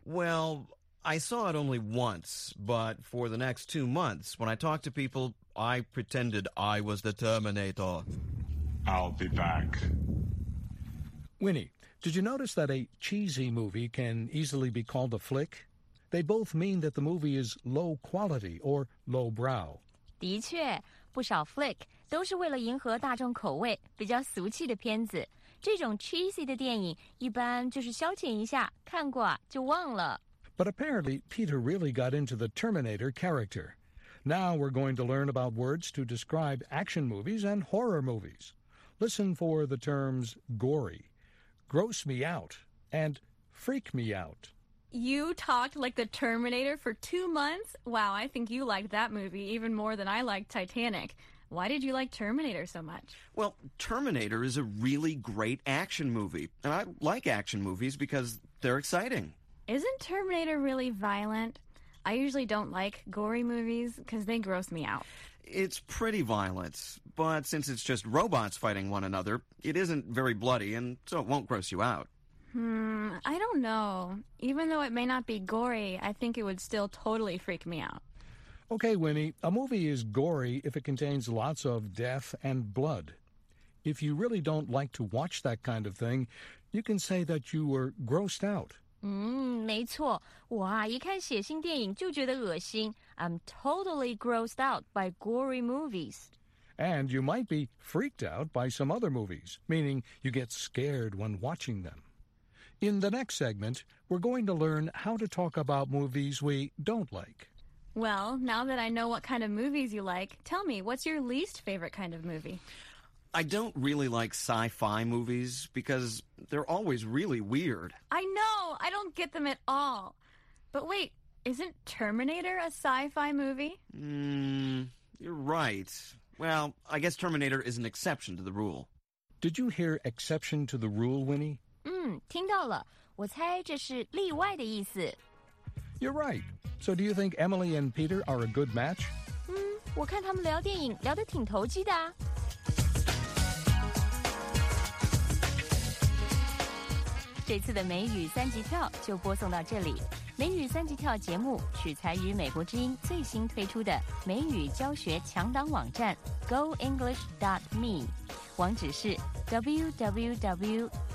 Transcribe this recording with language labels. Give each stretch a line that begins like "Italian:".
English: Well, I saw it only once, but for the next 2 months, when I talked to people, I pretended I was the Terminator. I'll be back. Winnie, did you notice that a cheesy movie can easily be called a flick? They both mean that the movie is low quality or low brow.
Chinese: 的确，不少 flick... 都是为了迎合大众口味，比较俗气的片子。这种 cheesy 的电影一般就是消遣一下，看过就忘了。
English: But apparently, Peter really got into the Terminator character. Now we're going to learn about words to describe action movies and horror movies. Listen for the terms gory, gross me out, and freak me out. You talked like the Terminator for 2 months? Wow, I think you liked that movie even more than I liked Titanic. Why did you like Terminator so much? Well, Terminator is a really great action movie. And I like action movies because they're exciting. Isn't Terminator really violent? I usually don't like gory movies because they gross me out. It's pretty violent. But since it's just robots fighting one another, it isn't very bloody and so it won't gross you out. I don't know. Even though it may not be gory, I think it would still totally freak me out. Okay, Winnie, a movie is gory if it contains lots of death and blood. If you really don't like to watch that kind of thing, you can say that you were grossed out.
Chinese: 没错。我一看血腥电影就觉得恶心。
English: I'm totally grossed out by gory movies. And you might be freaked out by some other movies, meaning you get scared when watching them. In the next segment, we're going to learn how to talk about movies we don't like. Well, now that I know what kind of movies you like, tell me, what's your least favorite kind of movie? I don't really like sci-fi movies because they're always really weird. I know! I don't get them at all. But wait, isn't Terminator a sci-fi movie? You're right. Well, I guess Terminator is an exception to the rule. Did you hear exception to the rule, Winnie?
Chinese: 听到了。我猜这是例外的意思。
English: You're right. So do you think Emily and Peter are a good match?
Chinese: 我看他们聊电影聊得挺投机的啊。这次的美语三级跳就播送到这里。美语三级跳节目取材于美国之音最新推出的美语教学强档网站 goenglish.me 网址是 www.goenglish.me